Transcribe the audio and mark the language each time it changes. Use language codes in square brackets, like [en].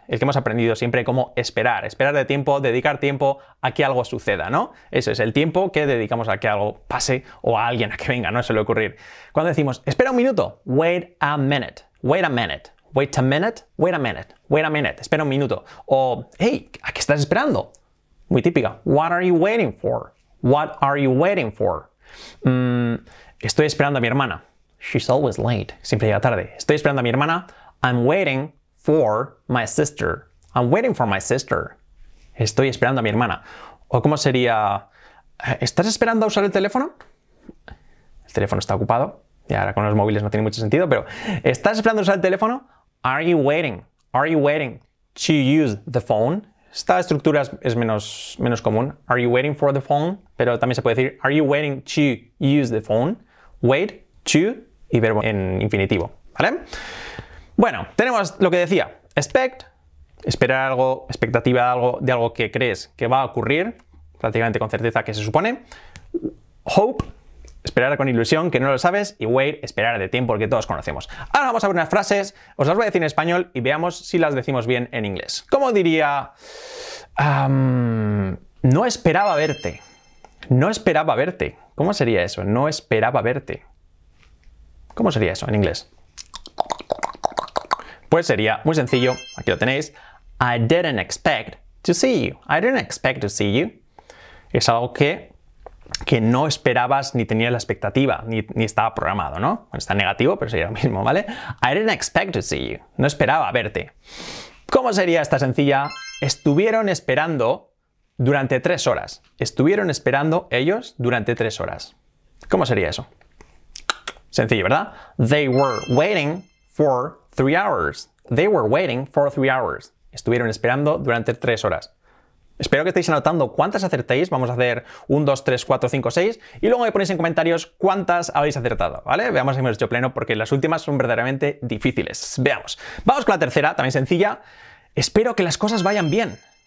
[es] El que hemos aprendido siempre como esperar. Esperar de tiempo, dedicar tiempo a que algo suceda, ¿no? Eso es el tiempo que dedicamos a que algo pase o a alguien a que venga, no suele ocurrir. Cuando decimos, espera un minuto. [en] Wait a minute. Wait a minute. Wait a minute, wait a minute, wait a minute, [es] espera un minuto. [en] O, hey, [es] ¿a qué estás esperando? Muy típica. [en] What are you waiting for? What are you waiting for? [es] Estoy esperando a mi hermana. [en] She's always late. [es] Siempre llega tarde. Estoy esperando a mi hermana. [en] I'm waiting for my sister. I'm waiting for my sister. [es] Estoy esperando a mi hermana. O, ¿cómo sería? ¿Estás esperando a usar el teléfono? El teléfono está ocupado. Y ahora con los móviles no tiene mucho sentido, pero ¿estás esperando a usar el teléfono? [en] Are you waiting? Are you waiting to use the phone? [es] Esta estructura es menos común. [en] Are you waiting for the phone? [es] Pero también se puede decir, [en] are you waiting to use the phone? [es] Wait, to, y verbo en infinitivo, ¿vale? Bueno, tenemos lo que decía. Expect, esperar algo, expectativa de algo que crees que va a ocurrir, prácticamente con certeza que se supone. Hope, esperar con ilusión, que no lo sabes, y wait, esperar de tiempo, que todos conocemos. Ahora vamos a ver unas frases, os las voy a decir en español y veamos si las decimos bien en inglés. ¿Cómo diría? No esperaba verte. No esperaba verte. ¿Cómo sería eso? No esperaba verte. ¿Cómo sería eso en inglés? Pues sería muy sencillo, aquí lo tenéis. [en] I didn't expect to see you. I didn't expect to see you. [es] Es algo que no esperabas ni tenías la expectativa, ni estaba programado, ¿no? Bueno, está negativo, pero sería lo mismo, ¿vale? [en] I didn't expect to see you. [es] No esperaba verte. ¿Cómo sería esta sencilla? Estuvieron esperando durante 3 horas. Estuvieron esperando ellos durante 3 horas. ¿Cómo sería eso? Sencillo, ¿verdad? [en] They were waiting for 3 hours. They were waiting for 3 hours. [es] Estuvieron esperando durante 3 horas. Espero que estéis anotando cuántas acertéis. Vamos a hacer 1, 2, 3, 4, 5, 6. Y luego me ponéis en comentarios cuántas habéis acertado, ¿vale? Veamos si hemos hecho pleno, porque las últimas son verdaderamente difíciles. Veamos. Vamos con la tercera, también sencilla. Espero que las cosas vayan bien.